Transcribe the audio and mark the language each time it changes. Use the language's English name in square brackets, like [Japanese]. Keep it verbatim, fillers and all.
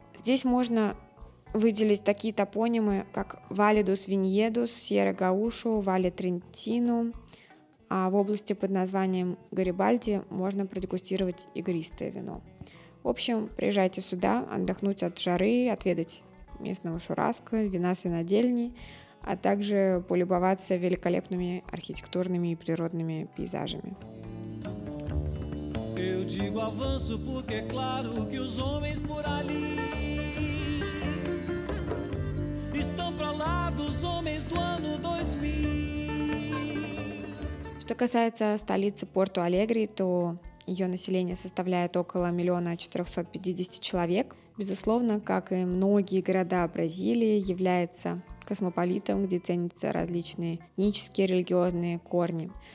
[Russian] Здесь можно выделить такие топонимы, как Вале дус Виньедус, Сьерра Гаушу, Вале Трентину, а в области под названием Гарибальди можно продегустировать игристое вино. В общем, приезжайте сюда отдохнуть от жары, отведать местного шураска, вина с винодельни, а также полюбоваться великолепными архитектурными и природными пейзажами. [Portuguese] Eu digo avanço porque é claro que os homens por ali estão pra lá dos homens do ano [Russian] две тысячи. Что касается столицы Порту-Алегри, то ее население составляет около миллиона четырехсот пятидесяти человек. Безусловно, как и многие города Бразилии, является космополитом, где ценятся различные этнические, религиозные корни.